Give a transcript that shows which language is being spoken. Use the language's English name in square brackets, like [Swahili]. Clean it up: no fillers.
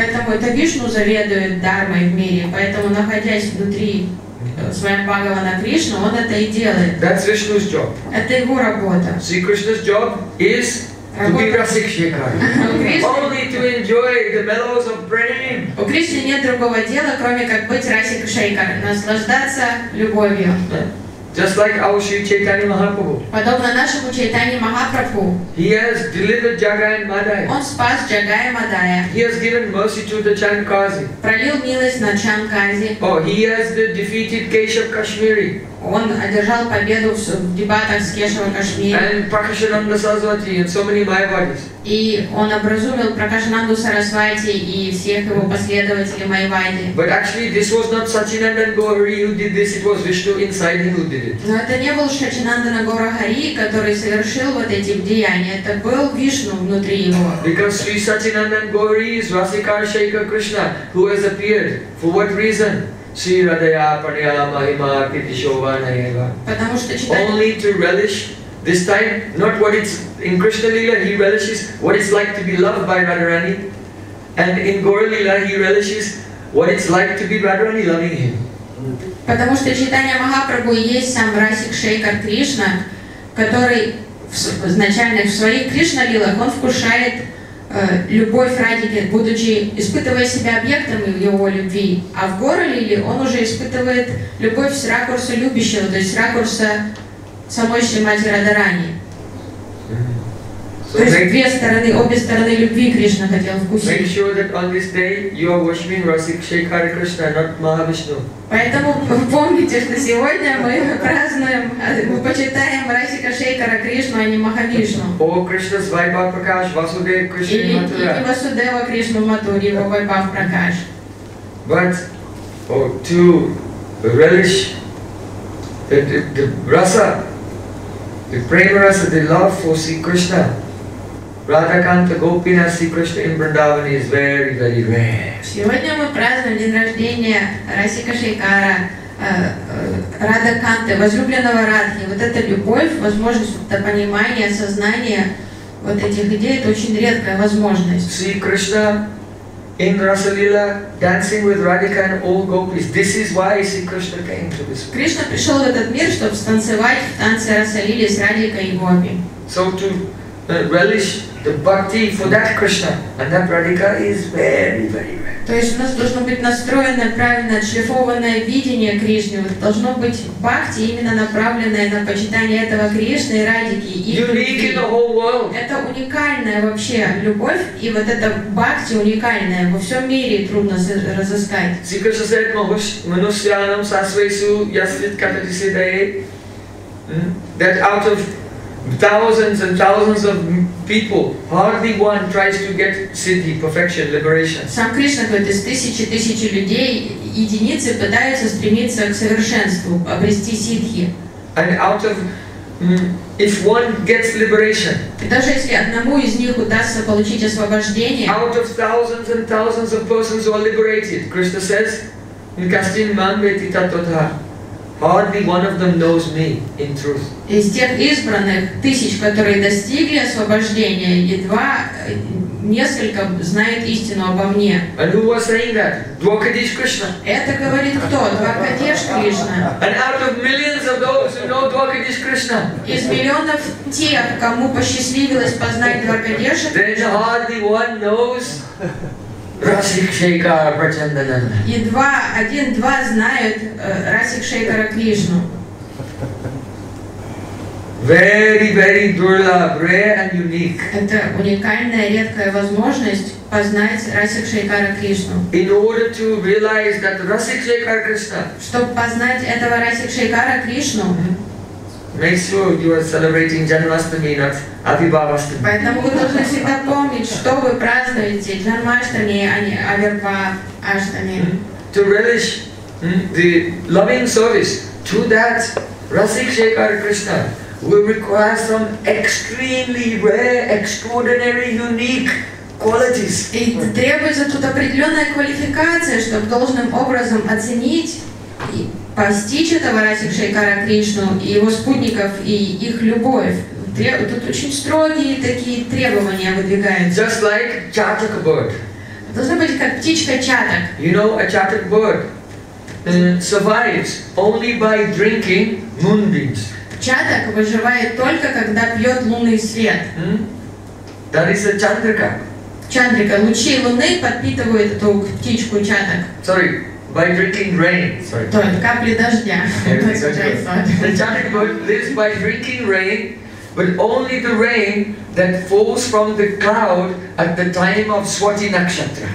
[Russian] Поэтому это Вишну заведует дармой в мире, поэтому находясь внутри Своим Бхагаван Кришна, он это и делает. [English] That's Vishnu's job. [Russian] Это его работа. [English] Sri Krishna's job is to be Rasik Shekhar. Only to enjoy the mellows of Prem. [Russian] У Кришны нет другого дела, кроме как быть Расик Шейкар, наслаждаться любовью. [English] Just like our Sri Chaitanya Mahaprabhu. [Russian] Подобно нашему Чайтанье Махапрабху. [English] He has delivered Jagai and Madai. [Russian] Он спас Jagai and Madai. [English] He has given mercy to the Chankazi. [Russian] Пролил милость на Чанкази. [English] Oh, he has defeated Keshav Kashmiri. [Russian] Он одержал победу в дебатах с Кешавом Кашмири. [English] And Prakashananda Saraswati and so many Майявадис. [Russian] И он образумил Пракашананду Сарасвати и всех его последователей Майявади. [English] But actually, this was not Sachinandan Gaurahari who did this. It was Vishnu inside him who did it. [Russian] Но это не был Сачинандана Гаурахари, который совершил вот эти деяния. Это был Вишну внутри его. [English] Because Sri Sachinandan Gaurahari is Rasikar Shaker Krishna who has appeared. For what reason? [Sanskrit] Sri Radhaya Padya Mahima Kiti Shobana Eva. [English] Only to relish this time, not what it's in Krishna Leela, he relishes what it's like to be loved by Radharani, and in Gaura Leela, he relishes what it's like to be Radharani loving him. [Russian] Потому что Чайтанья Махапрабху есть сам Расик Шейкар Кришна, который изначально в своих Кришна Лилах он вкушает любовь ради, будучи испытывая себя объектом его любви, а в Гора Лиле он уже испытывает любовь с ракурса любящего, то есть с ракурса самой Шримати Радарани. [English] So [Russian] то есть две стороны, обе стороны любви Кришна хотел вкусить. [English] Make sure that on this day you are worshiping Rasik Shekhar Krishna, not Mahavishnu. [Russian] Поэтому помните, что сегодня мы празднуем, мы почитаем Расика Шейкара Кришну, а не Махавишну. О, Кришна Свайбав Пракаш, Васудева Кришна Матура. Или Васудева Кришна Матура, его Вайбав Пракаш. [English] But to relish the rasa, the prema rasa, the love for Sri Krishna, Radha Kanta Gopina Sri Krishna in Vrindavan is very, very rare. [Russian] Сегодня мы празднуем день рождения Расика Шейкара, Радха Канты, возлюбленного Радхи. Вот эта любовь, возможность понимания, осознания вот этих идей, это очень редкая возможность. [English] Sri Krishna in Rasalila dancing with Radhika and all gopis. This is why Sri Krishna came to this world. [Russian] Кришна пришел в этот мир, чтобы станцевать в танце Расалили с Радхикой и Гопи. [English] So to relish the bhakti for that Krishna and that Radhika is very, very rare. [Russian] То есть у нас должно быть настроено правильно отшлифованное видение Кришны. Должно быть бхакти, именно направленное на почитание этого Кришны и Радхики. [English] Unique in the whole world. [Russian] Это уникальная вообще любовь, и вот эта бхакти уникальная. Во всем мире трудно разыскать. [English] Sri Krishna said, [Sanskrit] manusyanam sasvesu yasvit katadisidae, [English] that out of thousands and thousands of people, hardly one tries to get siddhi, perfection, liberation. [Russian] Сам Кришна говорит, из тысячи тысячи людей, единицы пытаются стремиться к совершенству, обрести сиддхи. [English] And out of, if one gets liberation, [Russian] и даже если одному из них удастся получить освобождение, [English] out of thousands and thousands of persons who are liberated, Krishna says, [Sanskrit] Nikastin mangveti tatodha. [English] Hardly one of them knows me in truth. [Russian] Из тех избранных тысяч, которые достигли освобождения, едва несколько знают истину обо мне. [English] And who was saying that? Двокадиш Кришна. [Russian] Это говорит кто? Двокадиш Кришна. [English] And out of millions of those who know Двокадиш Кришна. [Russian] Из миллионов тех, кому посчастливилось познать Двокадиша [English] Кришна. Then hardly one knows Расик Шейкара Прачандананда. [Russian] Едва один-два знают Расик Шейкара Кришну. [English] Very, very durlab, rare and unique. [Russian] Это уникальная, редкая возможность познать Расик Шейкара Кришну. [English] In order to realize that Расик Шейкара Кришна. [Russian] Чтобы познать этого Расик Шейкара Кришну. [English] Make sure you are celebrating Janmashtami, not Abhibhavashtami. [Russian] Поэтому вы должны всегда помнить, что вы празднуете Janmashtami, а не Abhibhavashtami. [English] To relish the loving service to that Rasik Shekhar Krishna will require some extremely rare, extraordinary, unique qualities. [Russian] И требуется тут определенная квалификация, чтобы должным образом оценить постичь этого Расик Шейкара Кришну и его спутников и их любовь. Тут очень строгие такие требования выдвигаются. [English] Just like chatak bird. [Russian] Должно быть как птичка чатак. [English] You know, a chatak bird survives only by drinking moonbeams. [Russian] Чатак выживает только когда пьет лунный свет. [English] That is a chandrika. [Russian] Чандрика, лучи луны подпитывают эту птичку чатак. [English] Sorry, By drinking rain, sorry. [Russian] Только капли дождя. [English] The chanting bird lives by drinking rain, but only the rain that falls from the cloud at the time of Swati Nakshatra.